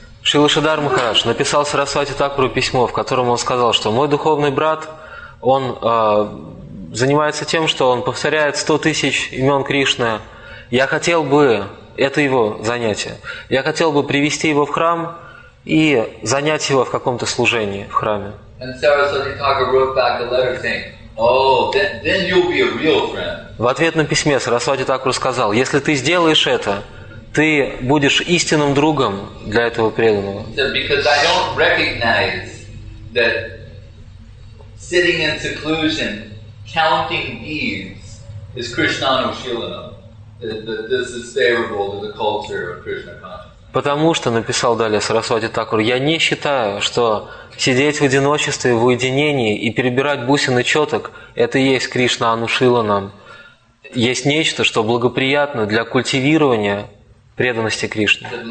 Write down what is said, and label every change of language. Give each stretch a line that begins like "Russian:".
Russian: Шрила Шридхара Махарадж написал Сарасвати Такуру письмо, в котором он сказал, что мой духовный брат, он занимается тем, что он повторяет 100,000 имен Кришны. Я хотел бы, это его занятие, я хотел бы привести его в храм и занять его в каком-то служении в храме.
English: And Sarasvati Thakur wrote back a letter saying, Oh, then you'll be a real friend.
Russian: В ответном письме Сарасвати Такур сказал: если ты сделаешь это, ты будешь истинным другом для этого преданного.
English: Because I don't recognize that sitting in seclusion, counting beads, is Krishna Anushilana. This is favorable to the culture of Krishna consciousness.
Russian: Потому что, написал далее Сарасвати Такур, я не считаю, что сидеть в одиночестве, в уединении и перебирать бусины четок – это и есть Кришна Анушиланам. Есть нечто, что благоприятно для культивирования преданности Кришне.